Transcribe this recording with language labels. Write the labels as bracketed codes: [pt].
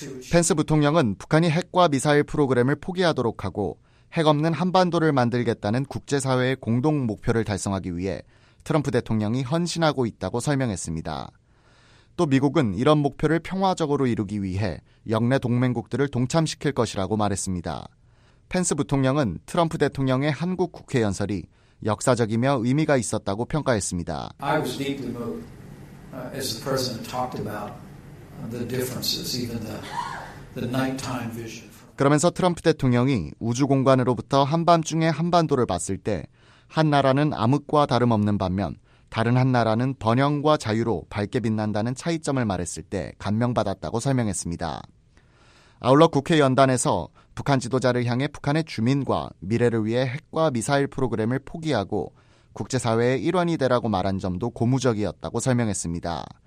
[ko] 펜스 부통령은 북한이 핵과 미사일 프로그램을 포기하도록 하고 핵 없는 한반도를 만들겠다는 국제사회의 공동 목표를 달성하기 위해 트럼프 대통령이 헌신하고 있다고 설명했습니다. 또 미국은 이런 목표를 평화적으로 이루기 위해 영내 동맹국들을 동참시킬 것이라고 말했습니다. 펜스 부통령은 트럼프 대통령의 한국 국회 연설이 역사적이며 의미가 있었다고 평가했습니다. [en] I was deeply moved as the president talked about the differences, even the nighttime vision. [ko] 그러면서 트럼프 대통령이 우주 공간으로부터 한밤중에 한반도를 봤을 때 한 나라는 암흑과 다름없는 반면 다른 한 나라는 번영과 자유로 밝게 빛난다는 차이점을 말했을 때 감명받았다고 설명했습니다. 아울러 국회 연단에서 북한 지도자를 향해 북한의 주민과 미래를 위해 핵과 미사일 프로그램을 포기하고 국제사회의 일원이 되라고 말한 점도 고무적이었다고 설명했습니다.